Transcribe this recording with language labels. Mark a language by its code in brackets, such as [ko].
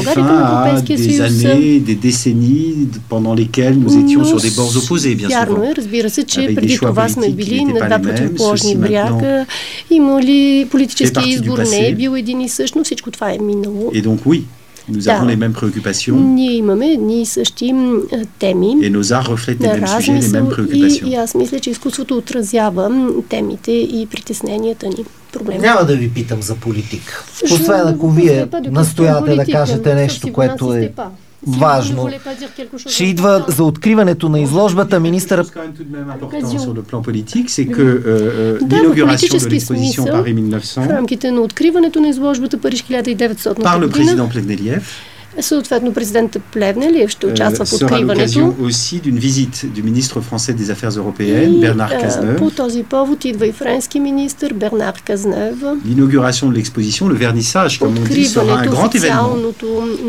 [fr] fin à des années, des décennies pendant lesquelles nous étions sur des bords opposés, bien sûr. Avec des choix politiques qui n'étaient pas les mêmes, ceci maintenant fait partie du passé. Et donc oui. Nous avons les mêmes préoccupations. [bg] Ние имаме едни същи теми. [fr] И nos arts reflètent les mêmes sujets, les mêmes préoccupations. [bg] И аз мисля, че изкуството отразява темите и притесненията ни. Проблема. Няма да ви питам за политика. Освен ако вие настоявате да кажете нещо, което е важно. Ще идва за откриването на изложбата министъра. В рамките на откриването на изложбата Париж 1900. Съответно, президентът Плевнелиев ще участва в откриването. По този повод идва и френски министър Бернар Казнев. [fr] L'inauguration de l'exposition, le vernissage, comme on dit, sera un grand événement.